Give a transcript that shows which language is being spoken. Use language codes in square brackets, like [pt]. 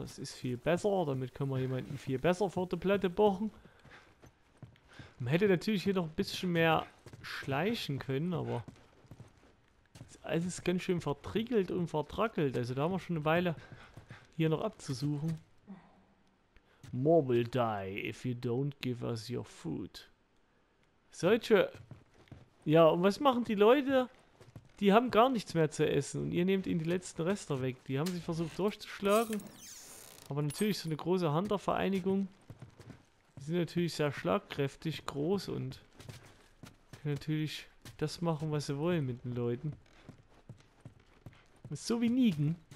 [de] Das ist viel besser. Damit können wir jemanden viel besser vor der Platte bohren. Man hätte natürlich hier noch ein bisschen mehr schleichen können, aber... Alles ist ganz schön vertriegelt und vertrackelt. Also da haben wir schon eine Weile hier noch abzusuchen. [en] More will die if you don't give us your food. [de] Solche... Ja, und was machen die Leute? Die haben gar nichts mehr zu essen und ihr nehmt ihnen die letzten Reste weg. Die haben sich versucht durchzuschlagen. Aber natürlich so eine große Hunter-Vereinigung. Die sind natürlich sehr schlagkräftig, groß und können natürlich das machen, was sie wollen mit den Leuten. Ist so wie Negan.